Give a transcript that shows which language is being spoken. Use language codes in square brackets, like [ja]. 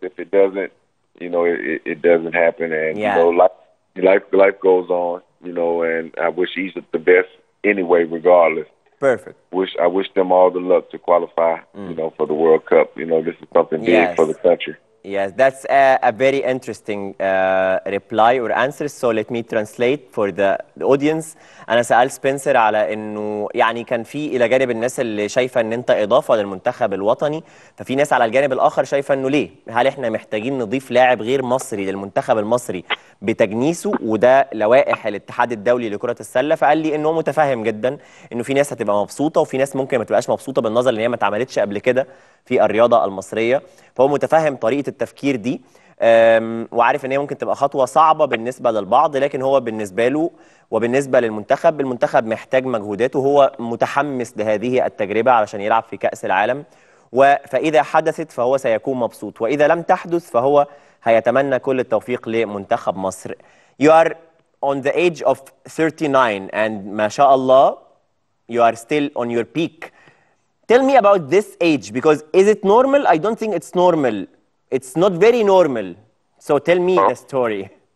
[en] If it doesn't, you know, it doesn't happen. And, you know, life goes on, you know, and I wish Egypt the best anyway, regardless. Perfect. I wish them all the luck to qualify, you know, for the World Cup. You know, this is something big for the country. Yes, that's a very interesting reply or answer. So let me translate for the audience. [ar] أنا سأل سبنسر على إنه يعني كان في إلى جانب الناس اللي شايفة إن أنت إضافة للمنتخب الوطني، ففي ناس على الجانب الآخر شايفة إنه ليه؟ هل إحنا محتاجين نضيف لاعب غير مصري للمنتخب المصري بتجنيسه وده لوائح الاتحاد الدولي لكرة السلة؟ فقال لي إنه متفاهم جدا إنه في ناس هتبقى مبسوطة وفي ناس ممكن ما تبقاش مبسوطة بالنظر إن هي ما اتعملتش قبل كده في الرياضة المصرية، فهو متفاهم طريقة التفكير دي وعارف ان هي ممكن تبقى خطوه صعبه بالنسبه للبعض، لكن هو بالنسبه له وبالنسبه للمنتخب، المنتخب محتاج مجهودات وهو متحمس لهذه التجربه علشان يلعب في كأس العالم، فاذا حدثت فهو سيكون مبسوط، واذا لم تحدث فهو هيتمنى كل التوفيق لمنتخب مصر. [en] You are on the age of 39 and [ar] ما شاء الله [en] you are still on your peak. Tell me about this age because is it normal? I don't think it's normal. It's not very normal. So tell me the story.